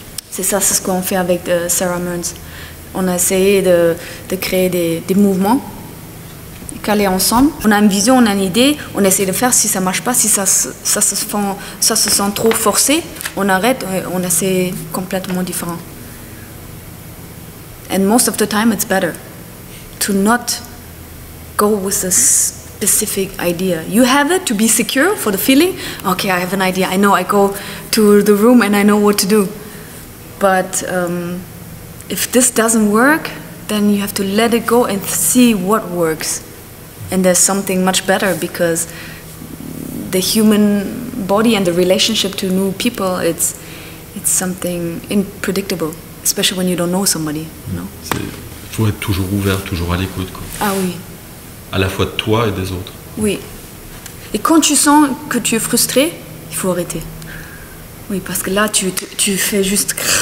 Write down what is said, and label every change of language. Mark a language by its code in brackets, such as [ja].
[fr] C'est ça, c'est ce qu'on fait avec Sarah Mearns. On a essayé de créer des mouvements, caler ensemble. On a une vision, on a une idée, on essaie de faire. Si ça ne marche pas, si ça se sent trop forcé, on arrête, on essaie complètement différent. [en] And most of the time, it's better to not go with a specific idea. You have it to be secure for the feeling. Okay, I have an idea. I know I go to the room and I know what to do. But if this doesn't work, then you have to let it go and see what works. And there's something much better because the human body and the relationship to new people, it's something unpredictable, especially when you don't know somebody. [fr] Il faut être toujours ouvert, toujours à l'écoute. Ah oui. À la fois de toi et des autres. Oui. Et quand tu sens que tu es frustré, il faut arrêter. Oui, parce que là, tu fais juste...